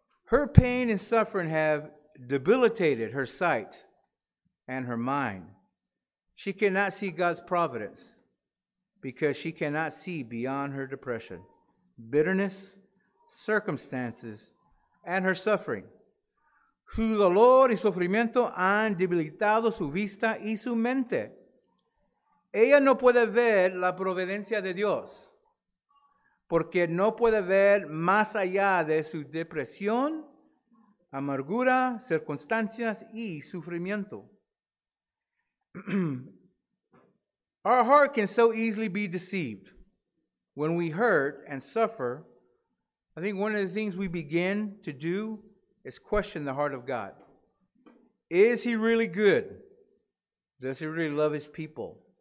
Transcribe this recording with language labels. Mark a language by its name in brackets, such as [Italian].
[English] Her pain and suffering have debilitated her sight and her mind. She cannot see God's providence because she cannot see beyond her depression, bitterness, circumstances, and her suffering. [Spanish] Su dolor y sufrimiento han debilitado su vista y su mente. Ella no puede ver la providencia de Dios, porque no puede ver más allá de su depresión, amargura, circunstancias y sufrimiento. [English] Our heart can so easily be deceived when we hurt and suffer. I think one of the things we begin to do is question the heart of God. Is he really good? Does he really love his people?